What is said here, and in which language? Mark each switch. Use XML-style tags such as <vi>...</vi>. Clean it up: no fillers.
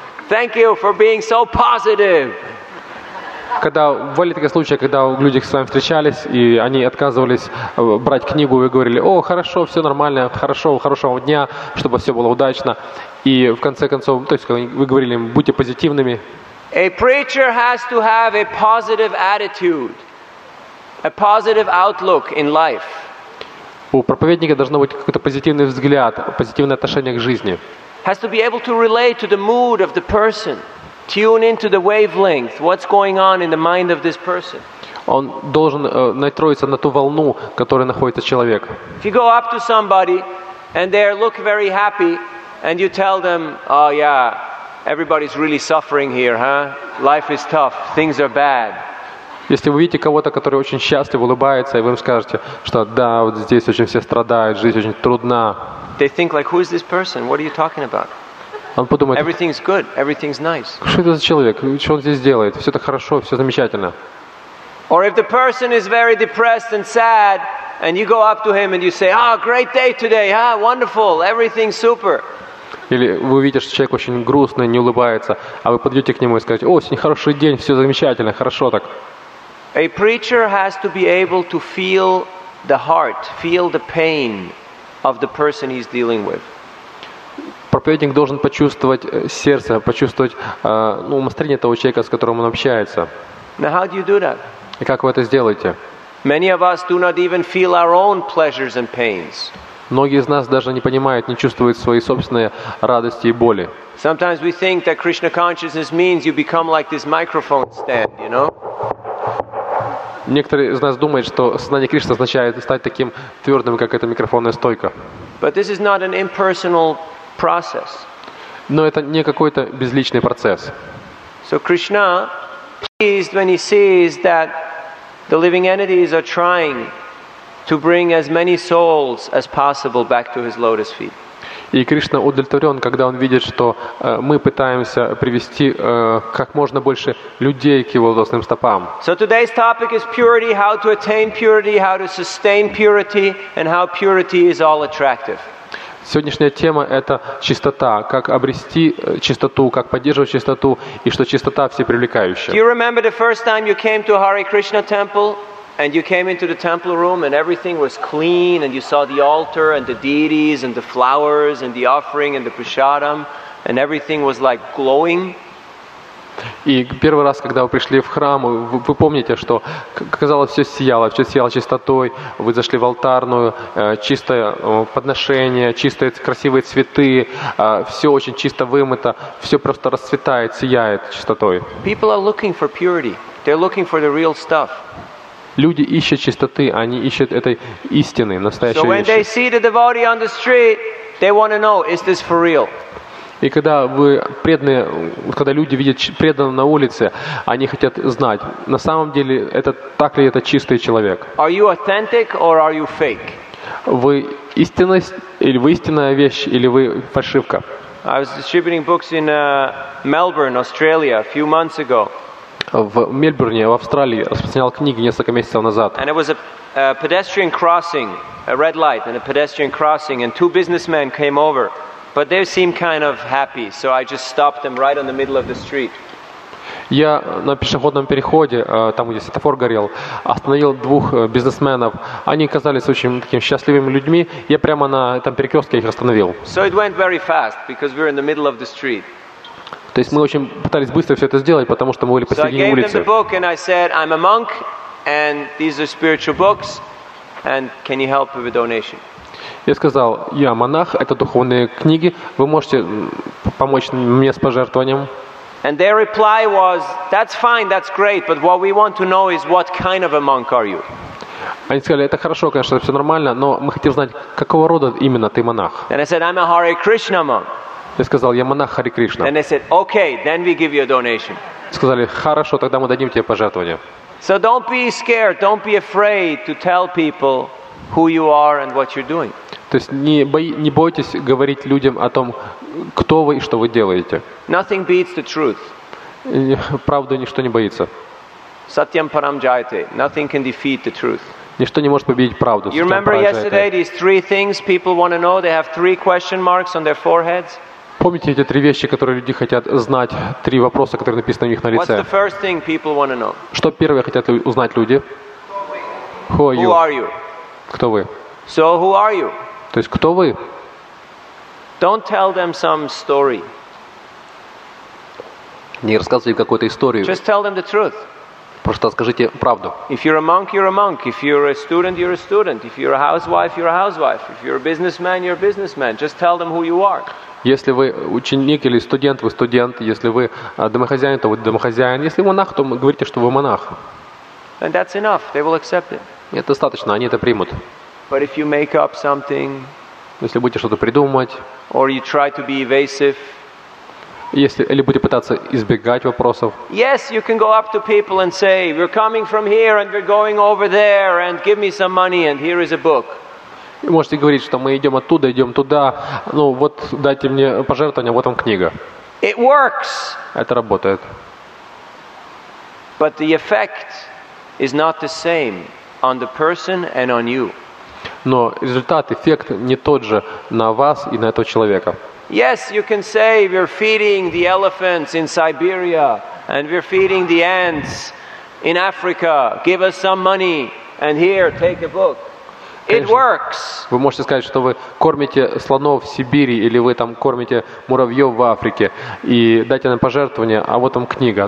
<en>Thank you for being so positive.</en> <ru>Когда были такие случаи, когда люди с вами встречались и они отказывались брать книгу и говорили: "О, хорошо, все нормально, хорошо, хорошего дня, чтобы все было удачно". И в конце концов, то есть вы говорили им: "Будьте позитивными".</ru> <en>A preacher has to have a positive attitude, a positive outlook in life.</en> <ru>У проповедника должно быть какой-то позитивный взгляд, позитивное отношение к жизни.</ru> <en>Has to be able to relate to the mood of the person, tune into the wavelength, what's going on in the mind of this person.</en> <ru>Он должен настроиться на ту волну, которая находится человек.</ru> <en>If you go up to somebody and they look very happy, and you tell them, oh yeah, everybody's really suffering here, huh? Life is tough, things are bad.</en> <ru>Если вы видите кого-то, который очень счастлив, улыбается, и вы им скажете, что да, вот здесь очень все страдают, жизнь очень трудна.</ru> <en>They think like, who is this person? What are you talking about?</en> <ru>Он подумает,</ru> <en>everything's good, everything's nice.</en> <ru>Что это за человек? Что он здесь делает? Все так хорошо, все замечательно.</ru> <en>Or if the person is very depressed and sad, and you go up to him and you say, ah, great day today, huh? Wonderful, everything's super.</en> <ru>Или вы увидите, что человек очень грустный, не улыбается, а вы подойдете к нему и скажете, о, сегодня хороший день, все замечательно, хорошо так.</ru> <en>A preacher has to be able to feel the heart, feel the pain of the person he's dealing with.</en> <ru>Проповедник должен почувствовать сердце, почувствовать настроение того человека, с которым он общается.</ru> <en>Now how do you do that?</en> <ru>И как вы это сделаете?</ru> <en>Many of us do not even feel our own pleasures and pains.</en> <ru>Многие из нас даже не понимают, не чувствуют свои собственные радости и боли.</ru> <en>Sometimes we think that Krishna consciousness means you become like this microphone stand, you know?</en> <ru>Некоторые из нас думают, что сознание Кришны означает стать таким твердым, как эта микрофонная стойка.</ru> <en>But this is not an impersonal process.</en> <ru>Но это не какой-то безличный процесс.</ru> <en>So Krishna pleased when he sees that the living entities are trying to bring as many souls as possible back to his lotus feet.</en> <ru>И Кришна удовлетворен, когда он видит, что мы пытаемся привести как можно больше людей к его лотосным стопам.</ru> <en>So today's topic is purity, how to attain purity, how to sustain purity, and how purity is all attractive.</en> <ru>Сегодняшняя тема – это чистота. Как обрести чистоту, как поддерживать чистоту, и что чистота всепривлекающая.</ru> <en>Do you remember the first time you came to Hare Krishna temple? And you came into the temple room and everything was clean and you saw the altar and the deities and the flowers and the offering and the prasadam and everything was like glowing.</en> <ru>И первый раз, когда вы пришли в храм, вы помните, что казалось, все сияло чистотой. Вы зашли в алтарную, чистое подношение, чистые красивые цветы, все очень чисто вымыто, все просто расцветает, сияет чистотой.</ru> <en>People are looking for purity. They're looking for the real stuff.</en> <ru>Люди ищут чистоты, они ищут этой истины, настоящей</ru> <en>вещи. So when they see the devotee on the street, they want to know, is this for real?</en> <ru>И когда вы преданные, когда люди видят преданного на улице, они хотят знать, на самом деле, это так ли это чистый человек?</ru> <en>Are you authentic or are you fake?</en> <ru>Вы истинность, или вы истинная вещь, или вы фальшивка?</ru> <en>I was distributing books in Melbourne, Australia, a few months ago.</en> <ru>В Мельбурне, в Австралии, распространял книги несколько месяцев назад.</ru> <en>And it was a pedestrian crossing, a red light, and a pedestrian crossing, and two businessmen came over, but they seemed kind of happy, so I just stopped them right on the middle of the street.</en> <ru>Я на пешеходном переходе, там, где светофор горел, остановил двух бизнесменов. Они казались очень такими счастливыми людьми. Я прямо на этом перекрестке их остановил.</ru> <en>So it went very fast, because we were in the middle of the street.</en> <ru>То есть мы очень пытались быстро все это сделать, потому что мы были посередине улицы.</ru> <en>So I gave them the book and I said, I'm a monk and these are spiritual books and can you help with a donation?</en> <ru>Я сказал, я монах, это духовные книги, вы можете помочь мне с пожертвованием?</ru> <en>And their reply was, that's fine, that's great, but what we want to know is what kind of a monk are you?</en> <ru>Они сказали, это хорошо, конечно, все нормально, но мы хотим знать, какого рода именно ты монах?</ru> <en>And I said, I'm a Hare Krishna monk.</en> <ru>Я сказал, я монах Хари Кришна.</ru> <en>And they said, okay, then we give you a donation.</en> <ru>Сказали, хорошо, тогда мы дадим тебе пожертвование.</ru> <en>So don't be scared, don't be afraid to tell people who you are and what you're doing.</en> <ru>То есть не бойтесь говорить людям о том, кто вы и что вы делаете.</ru> <en>Nothing beats the truth.</en> <ru>Правду ничто не боится.</ru> <sa>Satyam param jayate.</sa> <en>Nothing can defeat the truth.</en> <ru>Ничто не может победить правду.</ru> <en>You remember yesterday these three things people want to know? They have three question marks on their foreheads.</en> <ru>Помните эти три вещи, которые люди хотят знать? Три вопроса, которые написаны у них на лице.</ru> <en>What's the first thing people want to know?</en> <ru>Что первое хотят узнать люди?</ru> <en>Who are you? Who are you?</en> <ru>Кто вы?</ru> <en>So who are you?</en> <ru>То есть кто вы?</ru> <en>Don't tell them some story.</en> <ru>Не рассказывай какую-то историю.</ru> <en>Just tell them the truth.</en> <ru>Просто скажите правду.</ru> <en>If you're a monk, you're a monk. If you're a student, you're a student. If you're a housewife, you're a housewife. If you're a businessman, you're a businessman. Just tell them who you are.</en> <ru>Если вы ученик или студент, вы студент. Если вы домохозяин, то вы домохозяин. Если монах, то говорите, что вы монах.</ru> <en>And that's enough. They will accept it.</en> <ru>Это достаточно. Они это примут.</ru> <en>But if you make up something,</en> <ru>если будете что-то придумывать,</ru> <en>or you try to be evasive.</en> <ru>Если, или будете пытаться избегать вопросов.</ru> <en>Yes, you can go up to people and say, we're coming from here and we're going over there and give me some money and here is a book.</en> <ru>Вы можете говорить, что мы идем оттуда, идем туда. Ну вот, дайте мне пожертвование, вот вам книга.</ru> <en>It works.</en> <ru>Это работает.</ru> <en>But the effect is not the same on the person and on you.</en> <ru>Но результат, эффект не тот же на вас и на этого человека.</ru> <en>Yes, you can say we're feeding the elephants in Siberia and we're feeding the ants in Africa. Give us some money and here, take a book. It works.</en> <ru>Вы можете сказать, что вы кормите слонов в Сибири или вы там кормите муравьев в Африке и дайте нам пожертвование, а вот там книга.</ru>